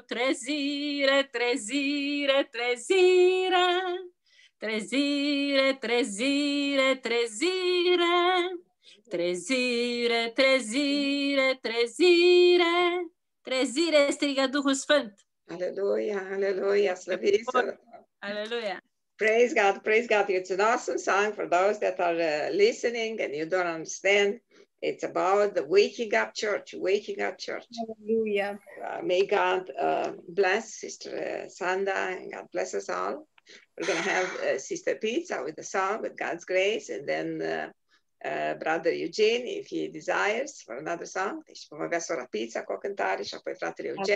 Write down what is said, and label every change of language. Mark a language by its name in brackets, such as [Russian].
[Romanian] Trezire, trezire, trezire, trezire, trezire, trezire, trezire, trezire, trezire, trezire, trezire, strigă Duhul Sfânt. Aleluia, aleluia, slăviți-vă. [English] Hallelujah. Praise God, praise God. It's an awesome song for those that are listening and you don't understand. It's about the waking up church, waking up church. Hallelujah. May God bless Sister Sanda and God bless us all. We're going to have Sister Pizza with the song, with God's grace, and then Brother Eugene, if he desires, for another song. [Romanian] Deci vom avea sora Pizza cu o cântare și apoi fratele Eugene.